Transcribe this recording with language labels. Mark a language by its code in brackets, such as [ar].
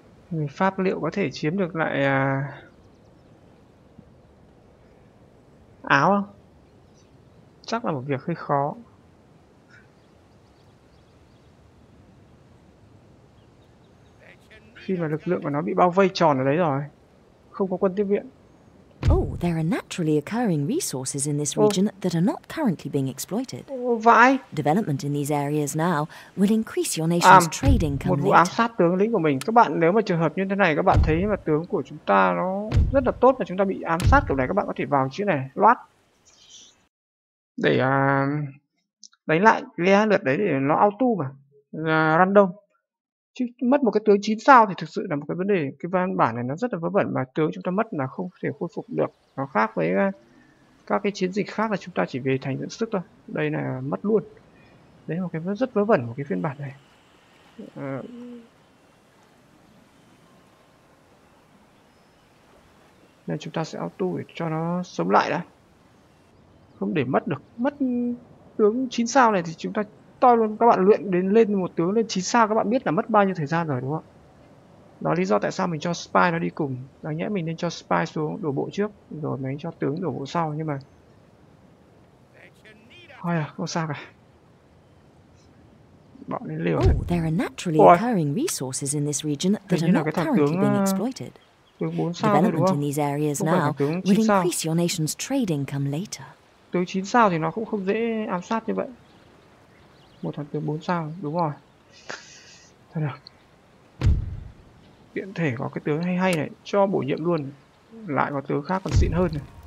[vi] Người Pháp liệu có thể chiếm được lại Áo không? Chắc là một việc hơi khó. Khi mà lực lượng của nó bị bao vây tròn ở đấy rồi, không có quân tiếp viện. [en] Oh, there are naturally occurring resources in this region that are not currently being exploited. [vi] Vãi. [en] Development in these areas now will increase your nation's trading complete. [vi] Một vụ ám sát tướng lĩnh của mình. Các bạn nếu mà trường hợp như thế này, các bạn thấy mà tướng của chúng ta nó rất là tốt và chúng ta bị ám sát kiểu này, các bạn có thể vào chữ này, loát. Để đánh lại cái lượt đấy để nó auto mà, random. Chứ mất một cái tướng 9 sao thì thực sự là một cái vấn đề. Cái văn bản này nó rất là vớ vẩn, mà tướng chúng ta mất là không thể khôi phục được. Nó khác với các cái chiến dịch khác là chúng ta chỉ về thành dưỡng sức thôi. Đây là mất luôn. Đấy là một cái rất vớ vẩn của cái phiên bản này. Nên chúng ta sẽ auto để cho nó sống lại đã. Không để mất được. Mất tướng 9 sao này thì chúng ta to luôn. Các bạn luyện đến lên một tướng lên 9 sao, các bạn biết là mất bao nhiêu thời gian rồi đúng không? Đó là lý do tại sao mình cho spy nó đi cùng. Đáng nhẽ mình nên cho spy xuống đổ bộ trước rồi mình cho tướng đổ bộ sau, nhưng mà thôi à, không sao cả. Bọn lên liều. [en] There are naturally occurring resources in this region that are not currently being exploited. [vi] Tướng 4 sao thôi, đúng không? Không phải tướng 9 sao. [en] Will increase your nation's trade income later. [vi] Tướng 9 sao thì nó cũng không dễ ám sát như vậy. Một thằng tướng 4 sao, đúng rồi. Thôi được. Tiện thể có cái tướng hay hay này, cho bổ nhiệm luôn. Lại có tướng khác còn xịn hơn này.